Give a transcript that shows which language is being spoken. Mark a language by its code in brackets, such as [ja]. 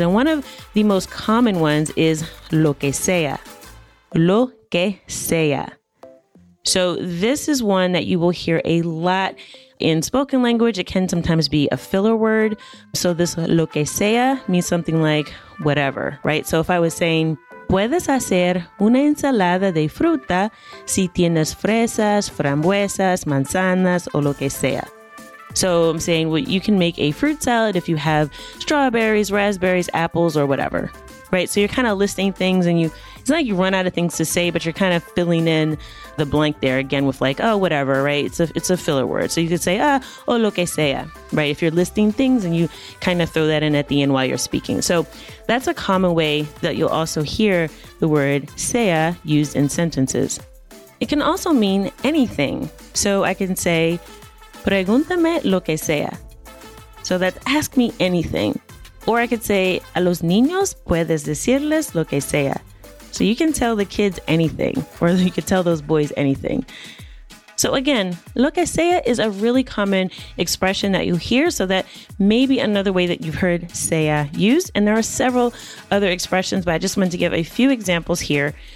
[en] And one of the most common ones is lo que sea. Lo que sea. So this is one that you will hear a lot in spoken language. It can sometimes be a filler word. So this lo que sea means something like whatever, right? So if I was saying, [es] puedes hacer una ensalada de fruta si tienes fresas, frambuesas, manzanas, o lo que sea. [en] So I'm saying, well, you can make a fruit salad if you have strawberries, raspberries, apples, or whatever. Right. So you're kind of listing things and it's not like you run out of things to say, but you're kind of filling in the blank there again with like, oh, whatever. Right. It's a filler word. So you could say, oh, lo que sea. Right. If you're listing things and you kind of throw that in at the end while you're speaking. So that's a common way that you'll also hear the word sea used in sentences. It can also mean anything. So I can say, [es] pregúntame lo que sea. [en] So that's ask me anything. Or I could say, [es] a los niños puedes decirles lo que sea. [en] So you can tell the kids anything, or you could tell those boys anything. So again, lo que sea is a really common expression that you hear, so that may be another way that you've heard sea used. And there are several other expressions, but I just wanted to give a few examples here.